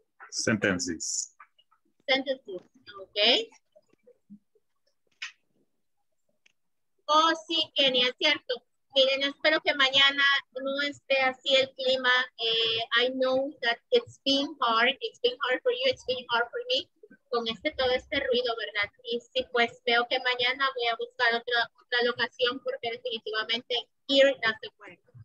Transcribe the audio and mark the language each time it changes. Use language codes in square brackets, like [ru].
[en] Sentences. Sentences, okay. [es] Oh, sí, Kenia, cierto. Miren, espero que mañana no esté así el clima. [en] I know that it's been hard. It's been hard for you, it's been hard for me. [es] Con este todo este ruido, ¿verdad? Y sí, pues veo que mañana voy a buscar otra locación porque definitivamente [en] here doesn't work.